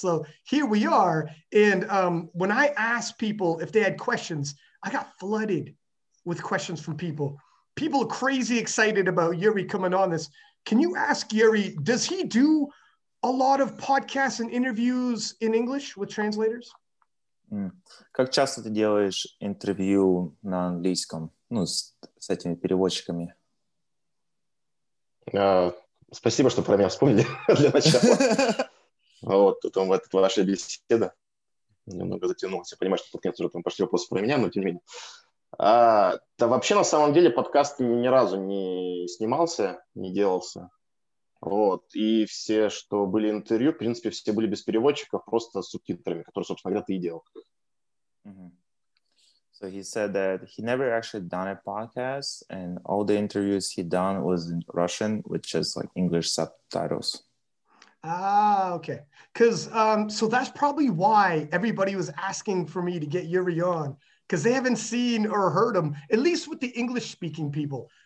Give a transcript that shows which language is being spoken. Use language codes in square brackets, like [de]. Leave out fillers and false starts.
[en] So here we are. And when I asked people if they had questions, I got flooded with questions from people. People are crazy excited about Yuri coming on this. Can you ask Yuri, does he do a lot of podcasts and interviews in English with translators? [ru] Как часто ты делаешь интервью на английском, ну, с этими переводчиками? Спасибо, что про меня вспомнили для начала. Вот, потом в этот ваша беседа немного затянулась. Я понимаю, что тут нет уже там пошли вопросы про меня, но тем не менее. Да вообще, на самом деле, подкаст ни разу не снимался, не делался. Вот, и все, что были интервью, в принципе, все были без переводчиков, просто с субтитрами, которые, собственно говоря, ты и делал. Mm-hmm. [en] So he said that he never actually done a podcast, and all the interviews he done was in Russian, which is like English subtitles. Ah, okay. Because so that's probably why everybody was asking for me to get Yuri on, because they haven't seen or heard him, at least with the English speaking people.